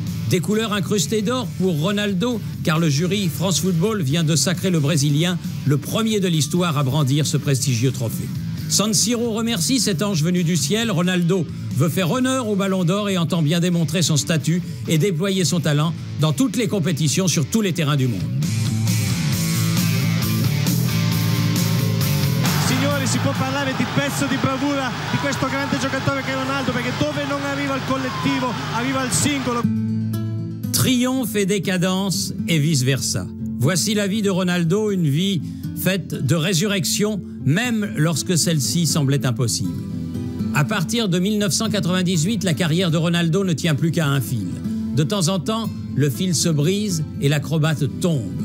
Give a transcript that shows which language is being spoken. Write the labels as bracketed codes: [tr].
[fr] Des couleurs incrustées d'or pour Ronaldo, car le jury France Football vient de sacrer le Brésilien, le premier de l'histoire à brandir ce prestigieux trophée. San Siro remercie cet ange venu du ciel, Ronaldo veut faire honneur au Ballon d'Or et entend bien démontrer son statut et déployer son talent dans toutes les compétitions sur tous les terrains du monde. [it] Signori, si può parlare di pezzo di bravura di questo grande giocatore che è Ronaldo, perché dove non arriva il collettivo, arriva il singolo. [fr] Triomphe et décadence et vice-versa. Voici la vie de Ronaldo, une vie faite de résurrection, même lorsque celle-ci semblait impossible. À partir de 1998, la carrière de Ronaldo ne tient plus qu'à un fil. De temps en temps, le fil se brise et l'acrobate tombe.